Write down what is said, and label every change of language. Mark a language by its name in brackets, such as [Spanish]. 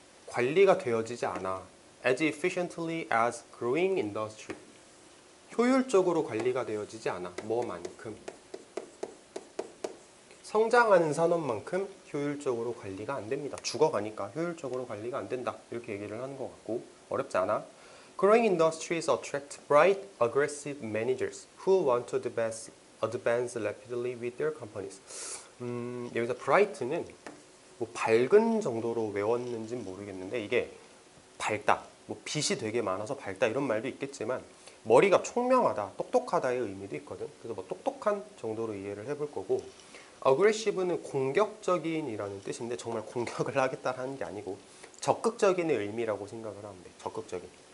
[Korean] 관리가 되어지지 않아. [English] As efficiently as growing industry. [Korean] 효율적으로 관리가 되어지지 않아. 뭐만큼? 성장하는 산업만큼 효율적으로 관리가 안 됩니다. 죽어가니까 효율적으로 관리가 안 된다. 이렇게 얘기를 하는 것 같고. 어렵지 않아? [English] Growing industries attract bright, aggressive managers who want to advance rapidly with their companies. [Korean] 여기서 bright는 뭐 밝은 정도로 외웠는지는 모르겠는데 이게 밝다, 뭐 빛이 되게 많아서 밝다 이런 말도 있겠지만 머리가 총명하다, 똑똑하다의 의미도 있거든. 그래서 뭐 똑똑한 정도로 이해를 해볼 거고, aggressive는 공격적인이라는 뜻인데 정말 공격을 하겠다라는 게 아니고 적극적인 의미라고 생각을 하면 돼. 적극적인.